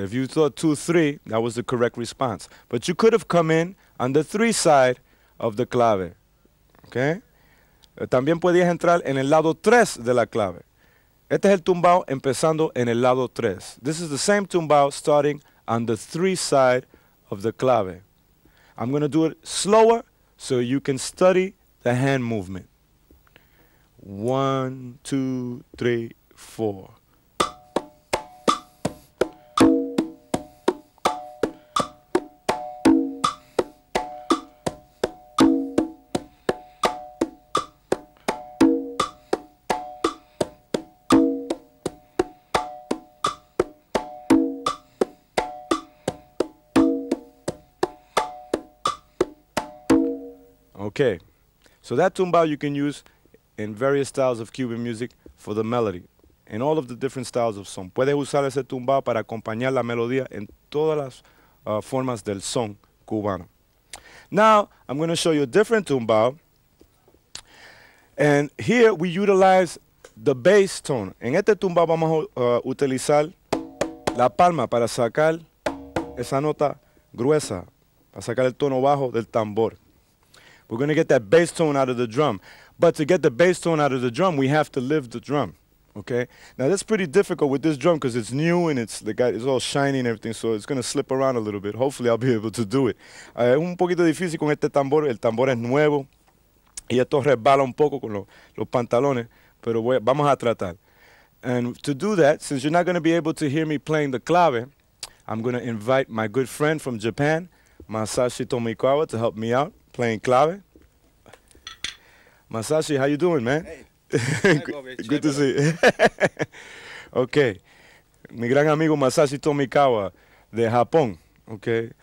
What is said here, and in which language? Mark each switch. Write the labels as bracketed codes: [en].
[en] If you thought 2-3, that was the correct response. But you could have come in on the 3 side of the clave. Okay? [es] También podías entrar en el lado 3 de la clave. Este es el tumbao empezando en el lado 3. [en] This is the same tumbao starting on the 3 side of the clave. I'm going to do it slower so you can study the hand movement. 1, 2, 3, 4. Okay, so that tumbao you can use in various styles of Cuban music for the melody, in all of the different styles of song. [es] Puedes usar ese tumbao para acompañar la melodía en todas las formas del son cubano. [en] Now, I'm going to show you a different tumbao. And here we utilize the bass tone. [es] En este tumbao vamos a utilizar la palma para sacar esa nota gruesa, para sacar el tono bajo del tambor. [en] We're going to get that bass tone out of the drum. But to get the bass tone out of the drum, we have to lift the drum, okay? Now, that's pretty difficult with this drum because it's new and it's all shiny and everything, so it's going to slip around a little bit. Hopefully, I'll be able to do it. [es] Es un poquito difícil con este tambor. El tambor es nuevo y esto resbala un poco con los pantalones, pero vamos a tratar. [en] And to do that, since you're not going to be able to hear me playing the clave, I'm going to invite my good friend from Japan, Masashi Tomikawa, to help me out playing clave. Masashi, how you doing, man? Hey. Good to see you. Okay. [es] Mi gran amigo Masashi Tomikawa de Japón. [en] Okay.